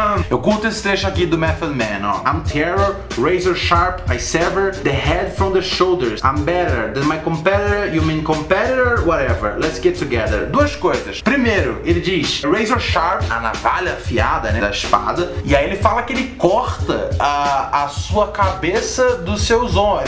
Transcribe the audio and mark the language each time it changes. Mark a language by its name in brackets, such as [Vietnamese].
[Portuguese] Eu curto esse trecho aqui do Method Man, ó. [English] I'm terror, razor sharp, I sever the head from the shoulders. I'm better than my competitor, you mean competitor, whatever. Let's get together. [Portuguese] Duas coisas. Primeiro, ele diz [English] razor sharp, [Portuguese] a navalha afiada, né, da espada. E aí ele fala que ele corta a sua cabeça dos seus ombros.